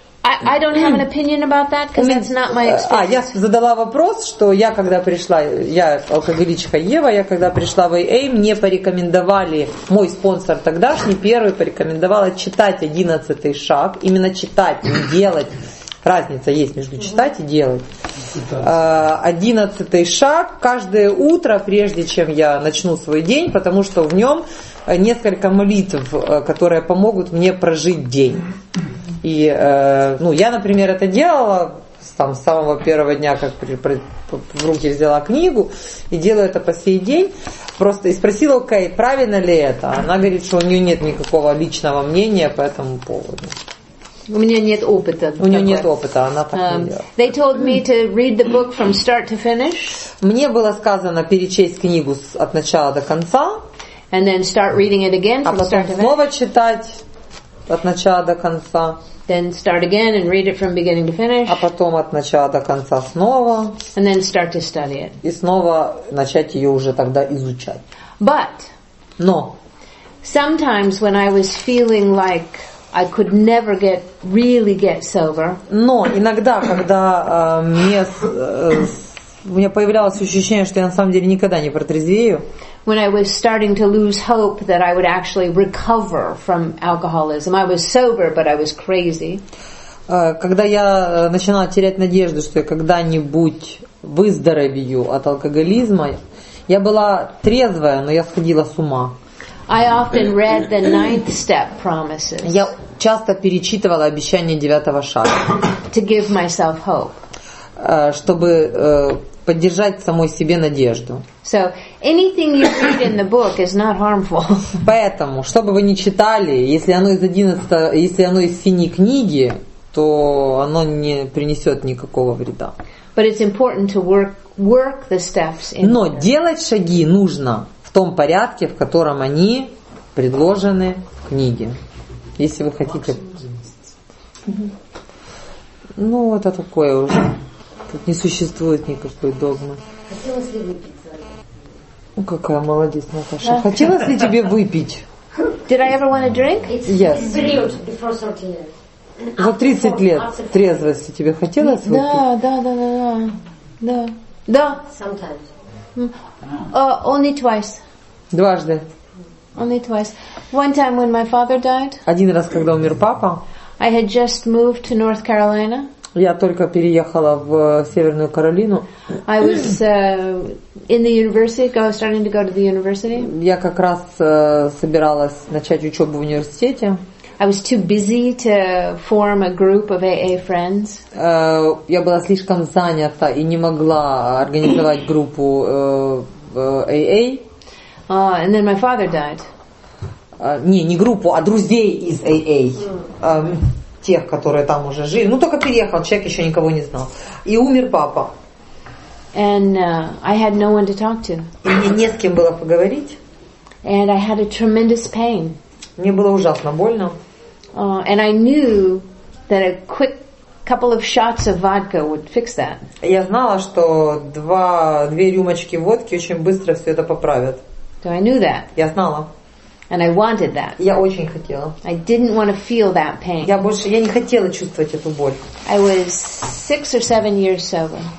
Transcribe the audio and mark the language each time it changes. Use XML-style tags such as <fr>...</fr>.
<en>I don't have an opinion about that because that's not my experience.</en> <ru>Я задала вопрос, что я когда пришла, я алкоголичка Ева, я когда пришла в AA, мне порекомендовали, мой спонсор тогдашний, первый порекомендовал читать 11-й шаг, именно читать, не делать. Разница есть между читать и делать. 11 шаг каждое утро, прежде чем я начну свой день, потому что в нем несколько молитв, которые помогут мне прожить день. И ну, я, например, это делала там, с самого первого дня, как в руки взяла книгу, и делаю это по сей день. Просто и спросила у Кэй, правильно ли это. Она говорит, что у нее нет никакого личного мнения по этому поводу. У меня нет опыта. У нее нет опыта, она так не делает.</ru> <en>They told me to read the book from start to finish.</en> <ru>Мне было сказано перечесть книгу от начала до конца.</ru> <en>And then start reading it again from start to finish.</en> <ru>А потом снова читать от начала до конца.</ru> <en>Then start again and read it from beginning to finish.</en> <ru>А потом от начала до конца снова.</ru> <en>And then start to study it.</en> <ru>И снова начать ее уже тогда изучать.</ru> <en>But.</en> <ru>Но.</ru> <en>Sometimes when I was feeling like I could never get really get sober.</en> <ru>Но иногда, когда у меня появлялось ощущение, что я на самом деле никогда не протрезвею.</ru> <en>When I was starting to lose hope that I would actually recover from alcoholism, I was sober, but I was crazy.</en> <ru>Когда я начинала терять надежду, что я когда-нибудь выздоровею от алкоголизма, я была трезвая, но я сходила с ума.</ru> <en>I often read the ninth step promises.</en> <ru>Я часто перечитывала обещания девятого шага.</ru> <en>To give myself hope.</en> <ru>Чтобы поддержать самой себе надежду.</ru> <en>So anything you read in the book is not harmful.</en> <ru>Поэтому, что бы вы ни читали, если оно из 11, если оно из синей книги, то оно не принесет никакого вреда.</ru> <en>But it's important to work the steps in.</en> <ru>Но делать шаги нужно в том порядке, в котором они предложены в книге. Если вы хотите... Ну, это такое уже. Тут не существует никакой догмы. Хотелось ли выпить? Ну, какая молодец, Наташа. Хотелось ли тебе выпить?</ru> <en>Did I ever want to drink? Yes.</en> <ru>За 30 лет трезвости тебе хотелось выпить? Да. Да.</ru> <en>Sometimes. Only twice.</en> <ru>Дважды.</ru> <en>Only twice. One time when my father died.</en> <ru>Один раз, когда умер папа.</ru> <en>I had just moved to North Carolina.</en> <ru>Я только переехала в Северную Каролину.</ru> <en>I was in the university, starting to go to the university.</en> <ru>Я как раз собиралась начать учебу в университете.</ru> <en>I was too busy to form a group of AA friends.</en> <ru>Я была слишком занята и не могла организовать группу AA.</ru> <en>And then my father died.</en> <ru>Не группу, а друзей из AA. Тех, которые там уже жили. Ну, только переехал, человек еще никого не знал. И умер папа.</ru> <en>And I had no one to talk to.</en> <ru>И мне не с кем было поговорить.</ru> <en>And I had a tremendous pain.</en> <ru>Мне было ужасно больно.</ru> <en>And I knew that a quick couple of shots of vodka would fix that.</en> <ru>Я знала, что две рюмочки водки очень быстро все это поправят.</ru> <en>So I knew that.</en> <ru>Я знала.</ru> <en>And I wanted that.</en> <ru>Я очень хотела.</ru> <en>I didn't want to feel that pain.</en> <ru>Я не хотела чувствовать эту боль.</ru> <en>I was 6 or 7 years sober.</en>